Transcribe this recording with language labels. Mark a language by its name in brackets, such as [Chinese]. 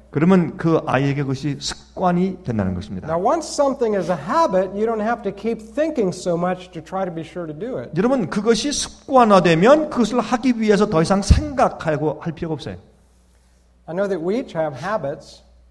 [Korean] 그러면 그 아이에게 그것이 습관이 된다는 것입니다. [English] Now once something is a habit, you don't have to keep thinking so much to try to be sure to do it. [Korean] 여러분 그것이 습관화되면 그것을 하기 위해서 더 이상 생각하고 할 필요가 없어요. [English] I know that we each have habits.